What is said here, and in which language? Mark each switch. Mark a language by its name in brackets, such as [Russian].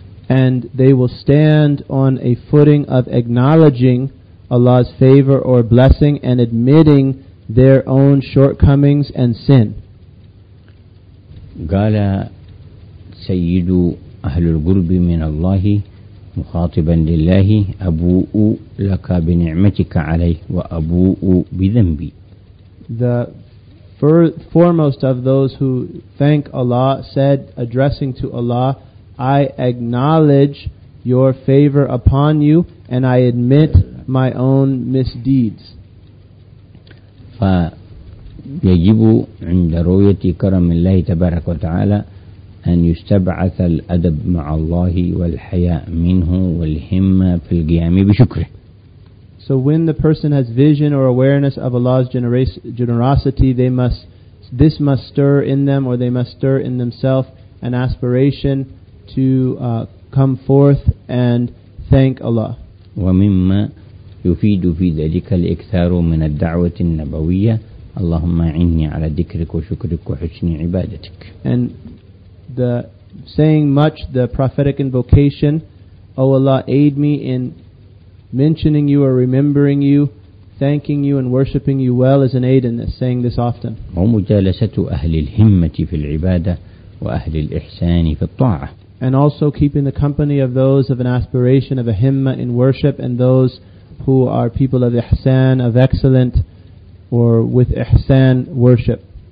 [English] And they will stand on a footing of acknowledging Allah's favor or blessing and admitting their own shortcomings and sin. [Arabic] قال سيد أهل القرب من الله مخاطبا لله أبوء لك بنعمتك علي وأبوء بذنبي. [English] The foremost of those who thank Allah said, addressing to Allah, I acknowledge your favor upon you and I admit my own misdeeds. [Arabic] فيجب عند رؤية كرم الله تبارك وتعالى أن يستبعث الأدب مع الله والحياء منه والهمة في القيام بشكره. [English] So when the person has vision or awareness of Allah's generosity, they must stir in themselves an aspiration to come forth and thank Allah. [Arabic] ومما يفيد في ذلك الإكثار من الدعوة النبوية اللهم أعني على ذكرك وشكرك وحسن عبادتك. [English] And the saying much the prophetic invocation, O Allah, aid me in mentioning you or remembering you, thanking you and worshipping you well, is an aid in this, saying this often. [Arabic] ومجالسة أهل الهمة في العبادة وأهل الإحسان في الطاعة. [English] And also keeping the company of those of an aspiration of a himma in worship and those who are people of ihsan, of excellent, or with ihsan worship.